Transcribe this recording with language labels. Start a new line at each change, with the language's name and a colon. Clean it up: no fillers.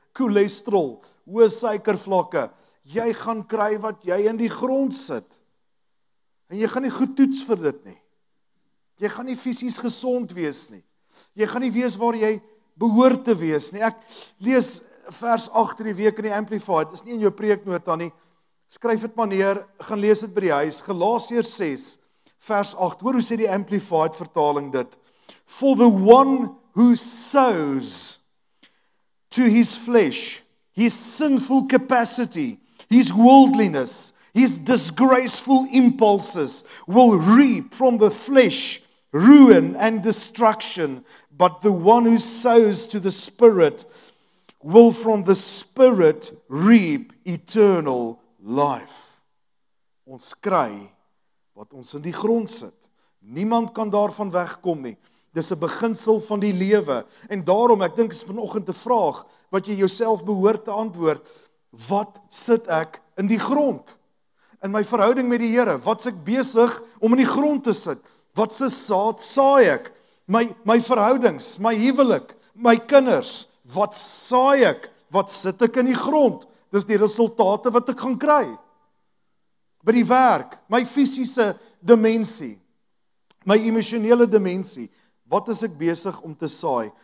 Afrikaans: Cholesterol, hoë suikervlakke. Jy gaan kry wat jy in die grond sit. En jy gaan nie goed toets vir dit nie. Jy gaan nie fisies gesond wees nie. Jy gaan nie wees waar jy behoort te wees nie. Ek lees vers 8 in die week in die Amplified. Dit is nie in jou preeknota nie. Skryf dit maar neer, gaan lees dit by die huis, Galasiërs 6 vers 8, hoor hoe sê die Amplified vertaling dit,
English: For the one who sows to his flesh, his sinful capacity, his worldliness, his disgraceful impulses will reap from the flesh ruin and destruction, but the one who sows to the Spirit will from the Spirit reap eternal life.
Afrikaans: Ons kry wat ons in die grond sit. Niemand kan daarvan wegkom nie. Dis 'n beginsel van die lewe. En daarom, ek dink, is vanoggend 'n vraag wat jy jouself behoort te antwoord. Wat sit ek in die grond, in my verhouding met die Here, wat's ek besig om in die grond te sit, wat se saad saai ek, my verhoudings, my huwelik, my kinders, wat saai ek, wat sit ek in die grond, dis die resultate wat ek gaan kry, by die werk, my fisiese dimensie, my emosionele dimensie, wat is ek besig om te saai?